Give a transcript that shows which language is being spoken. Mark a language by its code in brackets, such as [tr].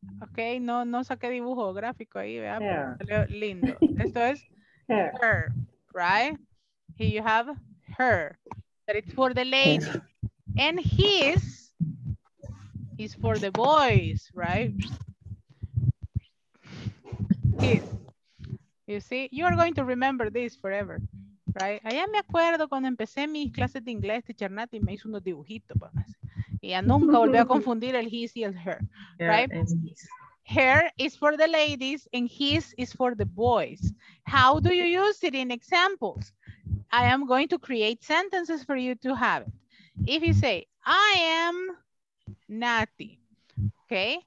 [es] Okay, no saqué dibujo gráfico ahí, vea, salió lindo. Esto es her, [en] right? Here you have her, but it's for the lady. And his is for the boys, right? His. You see, you are going to remember this forever, right? [es] Allá me acuerdo cuando empecé mis clases de inglés, teacher Nati me hizo unos dibujitos para más. Y ya nunca volví a confundir el his y el her, [en] right? Her is for the ladies and his is for the boys. How do you use it in examples? I am going to create sentences for you to have it. If you say, I am Nati, okay?